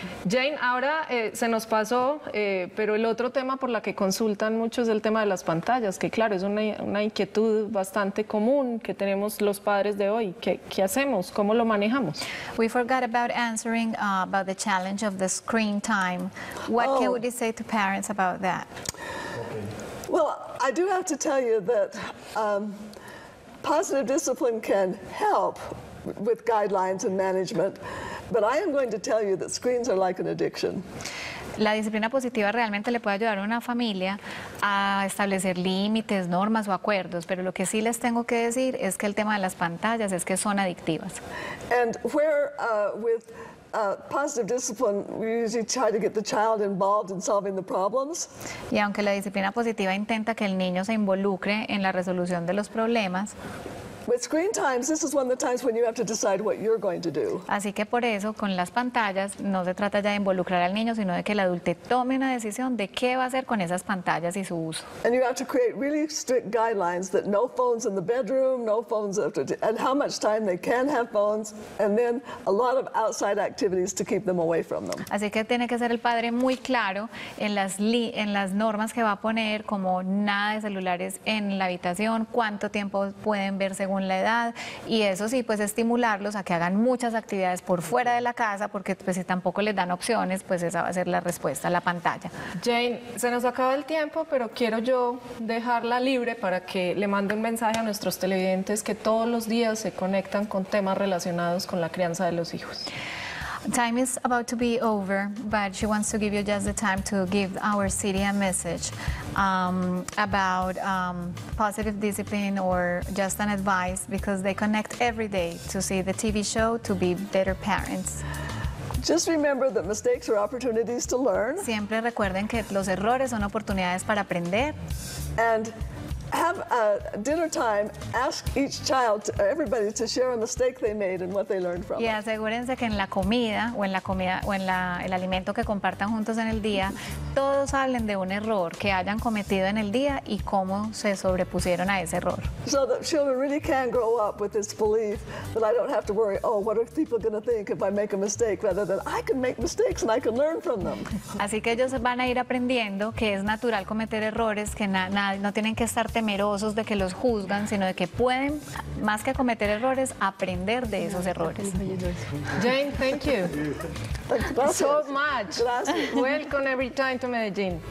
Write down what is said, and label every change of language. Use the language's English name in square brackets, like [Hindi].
[Spanish] Jane, ahora se nos pasó, pero el otro tema por la que consultan mucho es el tema de las pantallas, que claro, es una inquietud bastante común que tenemos los padres de hoy. ¿Qué hacemos? ¿Cómo lo manejamos? [English] We forgot about answering about the challenge of the screen time. What can we say to parents about that? Okay. Well, I do have to tell you that positive discipline can help with guidelines and management, but I am going to tell you that screens are like an addiction. [Spanish] La disciplina positiva realmente le puede ayudar a una familia a establecer límites, normas o acuerdos, pero lo que sí les tengo que decir es que el tema de las pantallas es que son adictivas. [English] And where with positive discipline, we usually try to get the child involved in solving the problems. [Spanish] Y aunque la disciplina positiva intenta que el niño se involucre en la resolución de los problemas, [English] with screen times, this is one of the times when you have to decide what you're going to do. [Spanish] Así que por eso, con las pantallas, no se trata ya de involucrar al niño, sino de que el adulto tome una decisión de qué va a hacer con esas pantallas y su uso. [English] And you have to create really strict guidelines that no phones in the bedroom, no phones after, and how much time they can have phones, and then a lot of outside activities to keep them away from them. [Spanish] Así que tiene que ser el padre muy claro en las normas que va a poner, como nada de celulares en la habitación, cuánto tiempo pueden ver según la edad, y eso sí, pues estimularlos a que hagan muchas actividades por fuera de la casa, porque pues si tampoco les dan opciones, pues esa va a ser la respuesta, la pantalla. Jane, se nos acaba el tiempo, pero quiero yo dejarla libre para que le mande un mensaje a nuestros televidentes que todos los días se conectan con temas relacionados con la crianza de los hijos. [English] Time is about to be over, but she wants to give you just the time to give our city a message about positive discipline or just an advice, because they connect every day to see the TV show to be better parents. Just remember that mistakes are opportunities to learn. [Spanish] Siempre recuerden que los errores son oportunidades para aprender. [English] And have a dinner time, ask each child, everybody, to share a mistake they made and what they learned from it. [Spanish] Y asegúrense que en la comida o en el alimento que compartan juntos en el día, todos hablen de un error que hayan cometido en el día y cómo se sobrepusieron a ese error. [English] So the children really can grow up with this belief that I don't have to worry, oh, what are people going to think if I make a mistake, rather than I can make mistakes and I can learn from them. [Spanish] Así que ellos van a ir aprendiendo que es natural cometer errores, que no tienen que estar temerosos de que los juzgan, sino de que pueden, más que cometer errores, aprender de esos errores. [English] Jane, thank you. [Spanish] Gracias. [English] So much. [Spanish] Gracias. [English] Welcome every time to Medellín.